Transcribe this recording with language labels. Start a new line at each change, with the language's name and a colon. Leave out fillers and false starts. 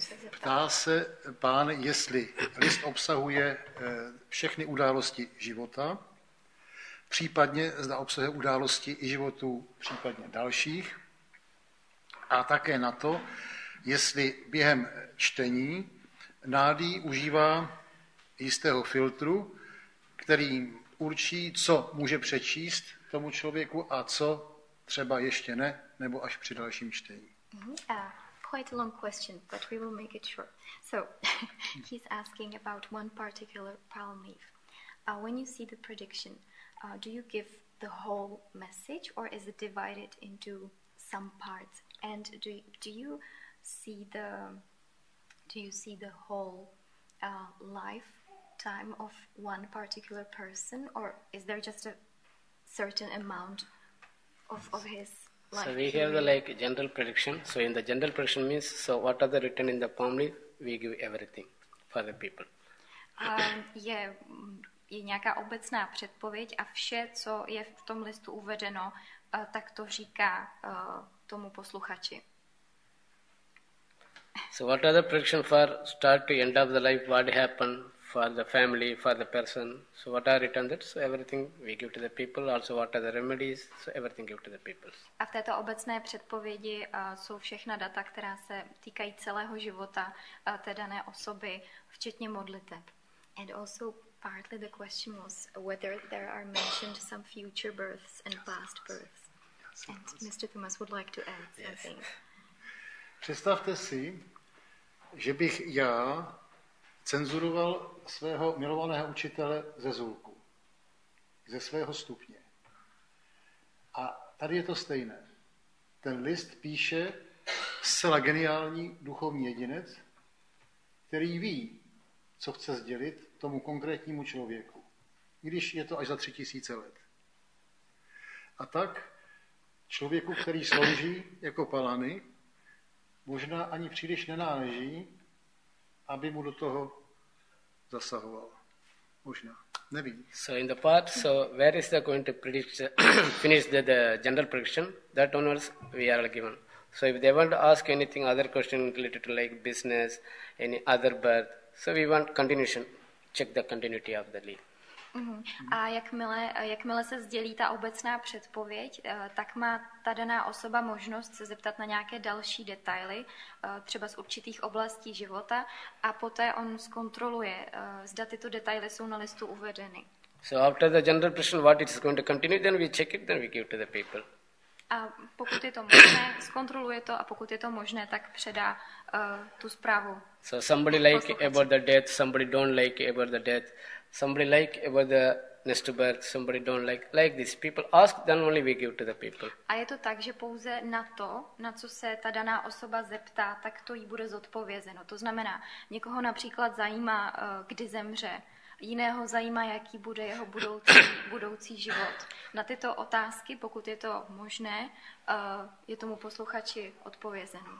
Czech: Ptá se pán, jestli list obsahuje všechny události života, případně zda obsahuje události i životů případně dalších, a také na to, jestli během čtení Nádý užívá jistého filtru, který určí, co může přečíst tomu člověku a co třeba ještě ne, nebo až při dalším čtení.
English: Quite a long question, but we will make it short. So, he's asking about one particular palm leaf. When you see the prediction, do you give the whole message, or is it divided into some parts? And do you see the whole lifetime of one particular person, or is there just a certain amount of his? So we have the like general prediction. So in the general prediction means, so what are the written in the palm leaf, we give everything for the people.
Czech: Je nějaká obecná předpověď a vše, co je v tom listu uvedeno, tak to říká tomu posluchači.
English: So what are the prediction for start to end of the life, what happened for the family, for the person. So what are written there? So everything we give to the people. Also what are the remedies? So everything give to the people.
Czech: A v této obecné předpovědi jsou všechna data, která se týkají celého života té dané osoby, včetně modliteb.
English: And also partly the question was whether there are mentioned some future births and past births. And Mr. Thomas would like to add something.
Czech: Představte si, že bych já cenzuroval svého milovaného učitele ze Zulku, ze svého stupně. A tady je to stejné. Ten list píše zcela geniální duchovní jedinec, který ví, co chce sdělit tomu konkrétnímu člověku, když je to až za 3000 let. A tak člověku, který slouží jako palany, možná ani příliš nenáleží, aby mu do toho zasahoval. Možná. Nevím.
English: So in the part, so where is the going to predict, finish the general prediction, that onwards we are given. So if they want to ask anything, other question related to like business, any other birth, so we want continuation, check the continuity of the leaf. Mm-hmm.
Czech: A jakmile se sdělí ta obecná předpověď, tak má ta daná osoba možnost se zeptat na nějaké další detaily, třeba z určitých oblastí života, a poté on zkontroluje, zda tyto detaily jsou na listu uvedeny.
English: So after the general prediction, what it is going to continue, then we check it, then we give to the people.
Czech: A pokud je to možné, zkontroluje to, a pokud je to možné, tak předá tu zprávu.
English: So somebody like about the death, somebody don't like about the death. Somebody like about the next birth, somebody don't like these people. Ask, then only we give to the people.
Czech: A je to tak, že pouze na to, na co se ta daná osoba zeptá, tak to jí bude zodpovězeno. To znamená, někoho například zajímá, kdy zemře, jiného zajímá, jaký bude jeho budoucí život. Na tyto otázky, pokud je to možné, je tomu posluchači odpovězeno.